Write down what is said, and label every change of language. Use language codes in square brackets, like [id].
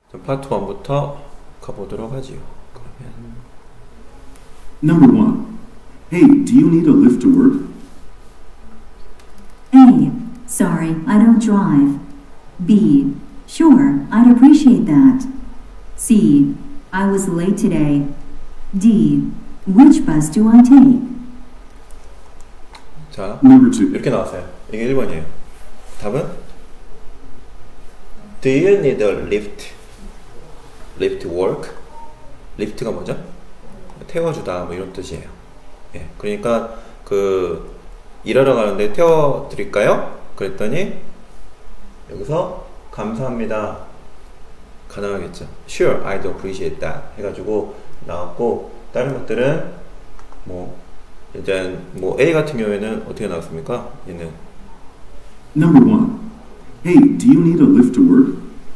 [ko] 파트 1부터 가보도록 하지요. 그러면 [en] Number one. Hey, do you need a lift to work? A. Sorry, I don't drive. B. Sure, I'd appreciate that. C. I was late today. D. Which bus do I take? [ko] 자, 이렇게 나왔어요. 이게 1번이에요. 답은? [en] Do you need a lift? Lift work? Lift가 [ko] 뭐죠? 태워주다, 뭐 이런 뜻이에요. 예, 그러니까 그 일하러 가는데 태워 드릴까요? 그랬더니 여기서 감사합니다. 가능하겠죠? [en] Sure, I'd appreciate that. [ko] 해가지고 나왔고 다른 것들은 뭐 일단 뭐 A 같은 경우에는 어떻게 나왔습니까? 얘는 [en] Number one. Hey, do you need a lift to work?